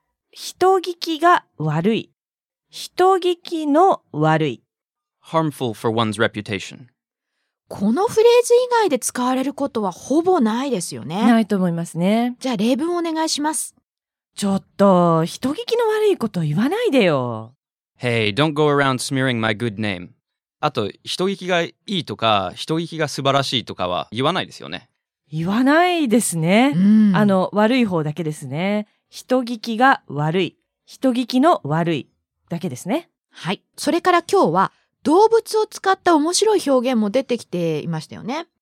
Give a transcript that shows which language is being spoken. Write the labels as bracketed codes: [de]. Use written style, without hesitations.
[ja] 人聞きが悪い。人聞きの悪い。 [en] Harmful for one's reputation。 [ja] このフレーズ以外で使われることはほぼないですよね。ないと思いますね。じゃあ例文お願いします。ちょっと、人聞きの悪いこと言わないでよ。 [en] Hey, don't go around smearing my good name. [ja] あと、人聞きがいいとか、人聞きが素晴らしいとかは言わないですよね。言わないですね。悪い方だけですね。人聞きが悪い。人聞きの悪いだけですね。はい。それから今日は、動物を使った面白い表現も出てきていましたよね。